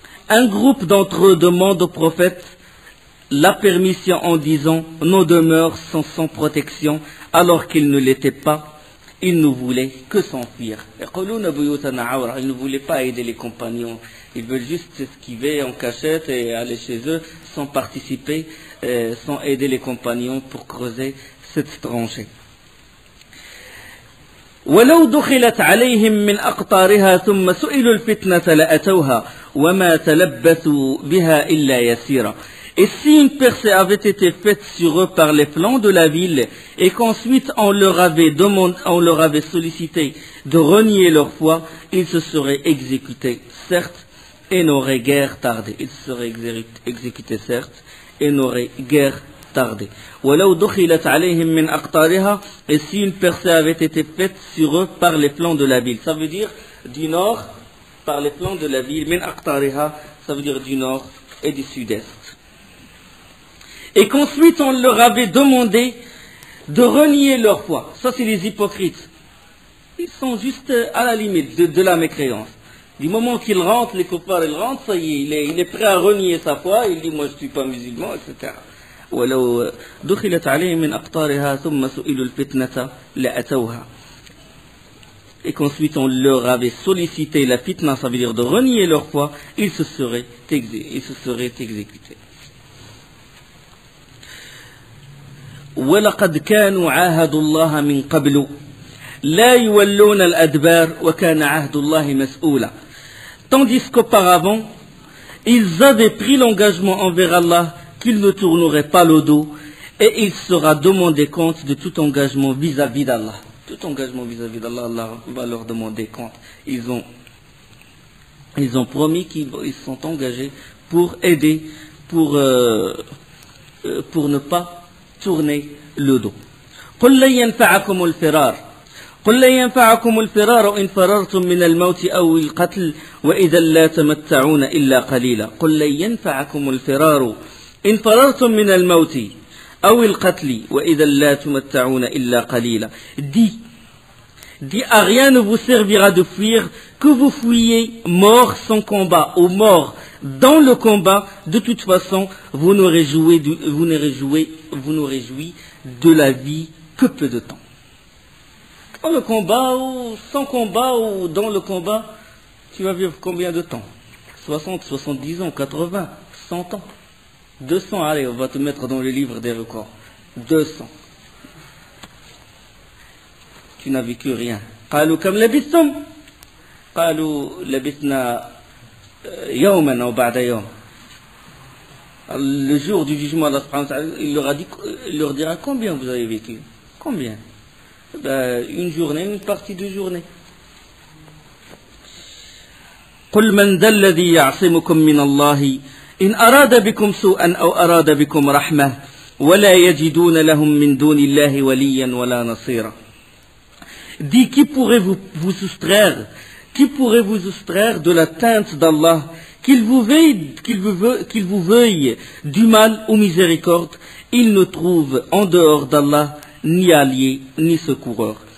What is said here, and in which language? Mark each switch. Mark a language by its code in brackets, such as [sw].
[fr] Un groupe d'entre eux demande au prophète la permission en disant, nos demeures sont sans protection, alors qu'ils ne l'étaient pas. Ils ne voulaient que s'enfuir. Ils ne voulaient pas aider les compagnons. Ils veulent juste s'esquiver en cachette et aller chez eux sans participer, sans aider les compagnons pour creuser cette tranchée. [ar] ولو دخلت عليهم من أقطارها ثم سئلوا الفتنة لأتوها وما تلبثوا بها إلا يسيرا. [fr] Et si une percée avait été faite sur eux par les flancs de la ville et qu'ensuite on leur avait sollicité de renier leur foi, ils se seraient exécutés certes et n'auraient guère tardé. [ar] ولو دخلت عليهم من أقطارها. [fr] Et si une percée avait été faite sur eux par les flancs de la ville. Ça veut dire du nord, par les flancs de la ville. [ar] من أقطارها, [fr] ça veut dire du nord et du sud-est. Et qu'ensuite on leur avait demandé de renier leur foi. Ça c'est les hypocrites. Ils sont juste à la limite de la mécréance. Du moment qu'ils rentrent, les coupards, ils rentrent, ça y est, il est prêt à renier sa foi. Il dit moi je ne suis pas musulman, etc. [ar] ولو دخلت عليهم من أقطارها ثم سئلوا الفتنة لأتوها. [fr] Et qu'ensuite on leur avait sollicité la fitna, ça veut dire de renier leur foi, ils se seraient exécutés. [ar] ولقد كانوا عاهدوا الله من قبل لا يولون الأدبار وكان عهد الله مسؤولا. [fr] Tandis qu'auparavant, ils avaient pris l'engagement envers Allah qu'il ne tournerait pas le dos et il sera demandé compte de tout engagement vis-à-vis d'Allah. Tout engagement vis-à-vis d'Allah, Allah va leur demander compte. Ils ont promis qu'ils sont engagés pour aider, pour ne pas tourner le dos. [ar] قل لن ينفعكم الفرار. قل لن ينفعكم الفرار إن فررتم من الموت أو القتل وإذا لا تمتعون إلا قليلا. قل لن ينفعكم الفرار إن فررتم من الموت أو القتل وإذا لا تمتعون إلا قليلا. [fr] Dis, à rien ne vous servira de fuir que vous fuyez mort sans combat ou mort dans le combat. De toute façon, vous n'aurez joui de la vie que peu de temps. dans le combat ou sans combat ou dans le combat, tu vas vivre combien de temps? 60, 70 ans, 80, 100 ans. 200, allez, on va te mettre dans le livre des records. 200. Tu n'as vécu rien. [ar] Qalou kam labistum? Qalou labisna yawman ou ba'da yawm. [fr] Le jour du jugement de l'Allah, il leur dira combien vous avez vécu? Combien? Ben, une journée, une partie de journée. [ar] قل من ذا الذي يعصمكم من الله إن أراد بكم سوءا أو أراد بكم رحمة ولا يجدون لهم من دون الله وليا ولا نصيرا. [fr] Dit, qui pourrait vous soustraire, qui pourrait vous soustraire de la teinte d'Allah, qu'il vous veuille du mal ou miséricorde, il ne trouve en dehors d'Allah ni allié ni secoureur.